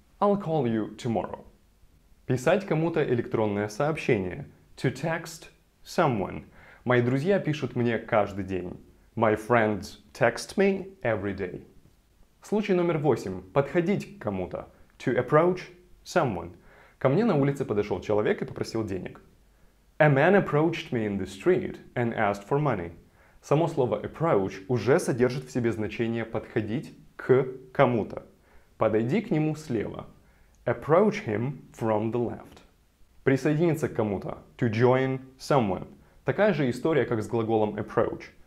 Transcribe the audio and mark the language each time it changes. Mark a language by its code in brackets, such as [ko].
[en] I'll call you tomorrow. [ru] Писать кому-то электронное сообщение [en] – to text someone. [ru] Мои друзья пишут мне каждый день. [en] My friends text me every day. [ru] Случай номер 8. Подходить к кому-то. [en] To approach someone. [ru] Ко мне на улице подошел человек и попросил денег. [en] A man approached me in the street and asked for money. [ru] Само слово approach уже содержит в себе значение подходить к кому-то. Подойди к нему слева. [en] Approach him from the left. [ru] Присоединиться к кому-то. [en] To join someone. [ru] Такая же история, как с глаголом approach.